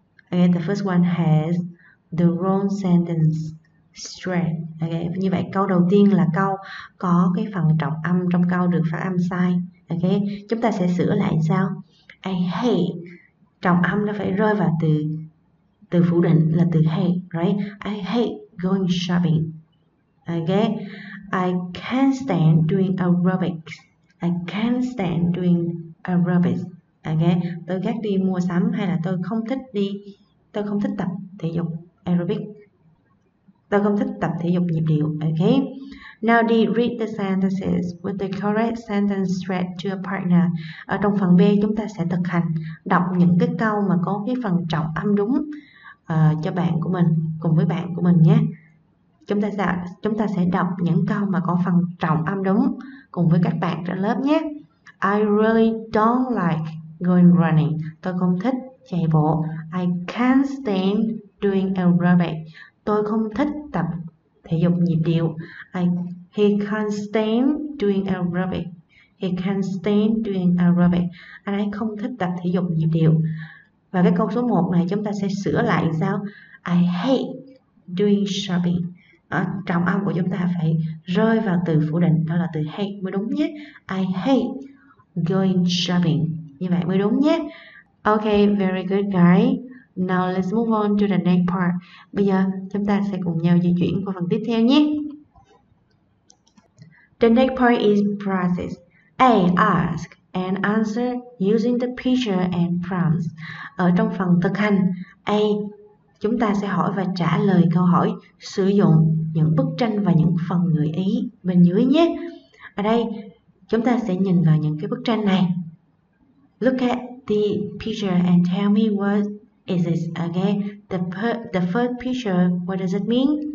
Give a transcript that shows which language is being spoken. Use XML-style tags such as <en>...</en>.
<en>Okay, the first one has the wrong sentence stress.</en> <vi>Okay, như vậy câu đầu tiên là câu có cái phần trọng âm trong câu được phát âm sai. Okay, chúng ta sẽ sửa lại sao?</vi> <en>I hate.</en> <vi>Trọng âm nó phải rơi vào từ phủ định là từ hate,</vi> <en>right? I hate going shopping. Okay? I can't stand doing aerobics. I can't stand doing aerobics. Okay?</en> <vi>Tôi ghét đi mua sắm hay là tôi không thích tập thể dục aerobic. Tôi không thích tập thể dục nhịp điệu.</vi> <en>Okay? Now D, read the sentences with the correct sentence stress to a partner.</en> <vi>Ở trong phần B, chúng ta sẽ thực hành đọc những cái câu mà có cái phần trọng âm đúng cho bạn của mình, cùng với bạn của mình nhé. Chúng ta sẽ đọc những câu mà có phần trọng âm đúng cùng với các bạn trên lớp nhé.</vi> <en>I really don't like going running.</en> <vi>Tôi không thích chạy bộ.</vi> <en>I can't stand doing aerobics.</en> <vi>Tôi không thích tập thể dục nhịp điệu.</vi> <en>He can't stand doing aerobic. He can't stand doing aerobic.</en> <vi>Anh ấy không thích tập thể dục nhịp điệu. Và cái câu số 1 này chúng ta sẽ sửa lại sao?</vi> <en>I hate doing shopping.</en> <vi>Trọng âm của chúng ta phải rơi vào từ phủ định, đó là từ hate mới đúng nhé.</vi> <en>I hate going shopping.</en> <vi>Như vậy mới đúng nhé.</vi> <en>Okay, very good guys. Now let's move on to the next part.</en> <vi>Bây giờ chúng ta sẽ cùng nhau di chuyển qua phần tiếp theo nhé.</vi> <en>The next part is process. A. Ask and answer using the picture and prompts.</en> <vi>Ở trong phần thực hành, A. Chúng ta sẽ hỏi và trả lời câu hỏi sử dụng những bức tranh và những phần gợi ý bên dưới nhé. Ở đây, chúng ta sẽ nhìn vào những cái bức tranh này.</vi> <en>Look at the picture and tell me what is it. Okay, the first picture, what does it mean?</en>